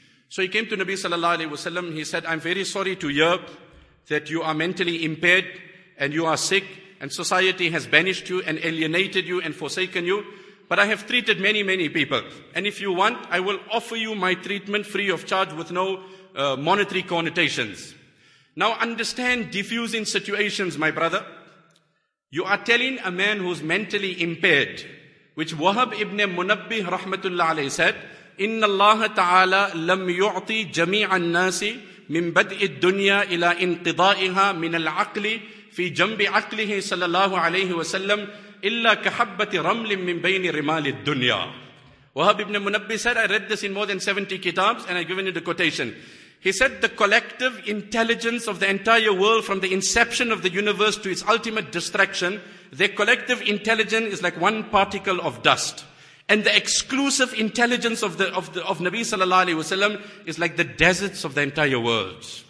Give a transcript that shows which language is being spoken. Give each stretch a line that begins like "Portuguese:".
English: So he came to Nabi sallallahu alayhi wasallam. He said, I'm very sorry to hear that you are mentally impaired and you are sick and society has banished you and alienated you and forsaken you. But I have treated many, many people. And if you want, I will offer you my treatment free of charge with no monetary connotations. Now understand diffusing situations, my brother. You are telling a man who's mentally impaired, which Wahab ibn Munabbih rahmatullah alayhi said,
Arabic: إِنَّ اللَّهَ تَعَالَى لَمْ يُعْطِي جَمِيعَ النَّاسِ مِنْ بَدْءِ الدُّنْيَا إِلَىٰ إِنْقِضَائِهَا مِنَ الْعَقْلِ فِي جَنْبِ عَقْلِهِ صلى الله عليه وسلم إِلَّا كَحَبَّةِ رَمْلٍ مِنْ بَيْنِ رِمَالِ الدُّنْيَا.
English: Wahab ibn Munabbih said, I read this in more than 70 kitabs and I've given it a quotation. He said, the collective intelligence of the entire world from the inception of the universe to its ultimate destruction, their collective intelligence is like one particle of dust. And the exclusive intelligence of Nabi sallallahu alayhi wasallam is like the deserts of the entire world.